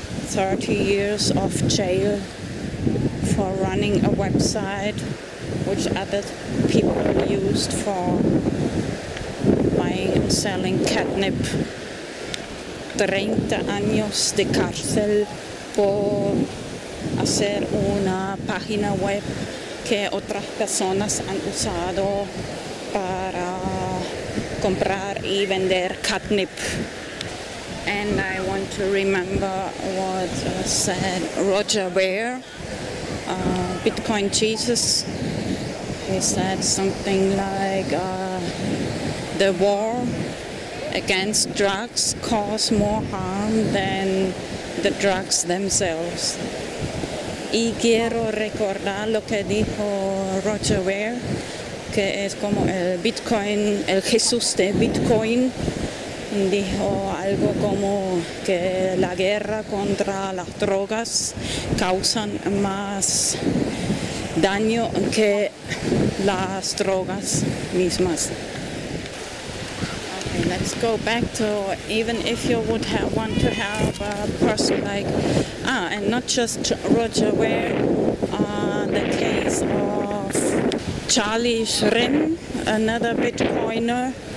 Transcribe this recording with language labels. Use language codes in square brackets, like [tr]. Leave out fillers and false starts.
[en] 30 years of jail for running a website which other people used for buying and selling catnip. [es] 30 años de cárcel por hacer una página web que otras personas han usado para comprar y vender catnip. [en] And I want to remember what said Roger Ver, Bitcoin Jesus. He said something like, the war against drugs cause more harm than the drugs themselves. [es] Y quiero recordar lo que dijo Roger Ver, que es como el Bitcoin, el Jesús de Bitcoin. Dijo algo como que la guerra contra las drogas causan más daño que las drogas mismas. [en] Okay, let's go back to even if you would have want to have a person like and not just Roger Ver, the case of Charlie Shrim, another Bitcoiner.